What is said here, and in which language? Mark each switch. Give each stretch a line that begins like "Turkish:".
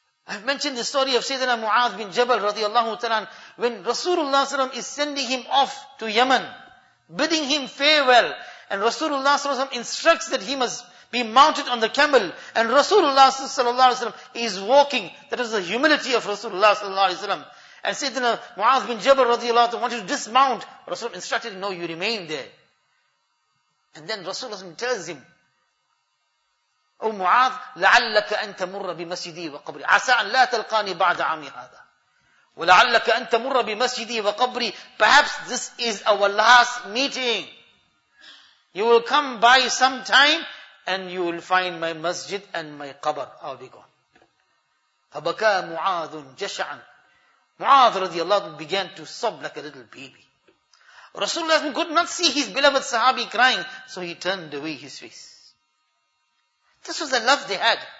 English: I've mentioned the story of Sayyidina Mu'adh bin Jabal radiallahu ta'ala, when Rasulullah sallam is sending him off to Yemen, bidding him farewell, and Rasulullah sallam instructs that he must be mounted on the camel, and Rasulullah sallallahu alayhi wa sallam is walking. That is the humility of Rasulullah sallallahu alayhi wa sallam. And Sayyidina Mu'adh bin Jabal radiallahu ta'ala wanted to dismount. Rasulullah instructed, no, you remain there.
Arabic: And then Rasulullah sallam tells him, O Mu'adh, لَعَلَّكَ أَن تَمُرَّ بِمَسْجِدِي وَقَبْرِي عَسَىٰ أَن لَا تَلْقَانِي بَعْدَ عَامِ هَذَا وَلَعَلَّكَ أَن تَمُرَّ بِمَسْجِدِي وَقَبْرِي.
English: Perhaps this is our last meeting. You will come by some time and you will find my masjid and my qabr. I'll be gone. فَبَكَى مُعَاذٌ جَشَعًا. Mu'adh radiallahu anhu began to sob like a little baby. Rasulullah could not see his beloved sahabi crying, so he turned away his face. This was the love they had.